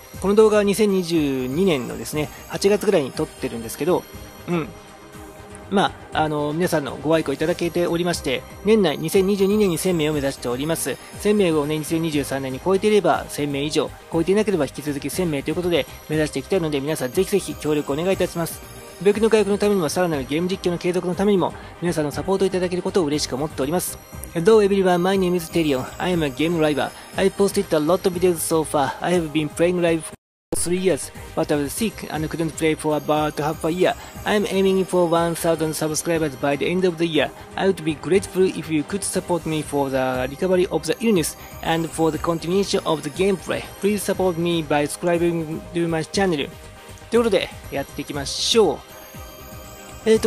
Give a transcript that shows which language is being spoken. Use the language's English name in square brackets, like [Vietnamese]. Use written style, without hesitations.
[Japanese] この動画は2022年のですね、8月ぐらいに撮ってるんですけど、皆さんのご愛顧いただけておりまして、年内2022年に1000名を目指しております。 1000名を、ね、2023年に超えていれば1000名以上、超えていなければ引き続き1000名ということで目指していきたいので、皆さんぜひぜひ協力お願いいたします。病気の回復のためにも、さらなるゲーム実況の継続のためにも、皆さんのサポートをいただけることを嬉しく思っております。 [English] Hello everyone, my name is Terion. I am a game driver. I posted a lot of videos so far. I have been playing live forthree years, but I was sick and couldn't play for about half a year. I'm aiming for 1,000 subscribers by the end of the year. I would be grateful if you could support me for the recovery of the illness and for the continuation of the gameplay. Please support me by subscribing to my channel. [Japanese] ということでやっていきましょう。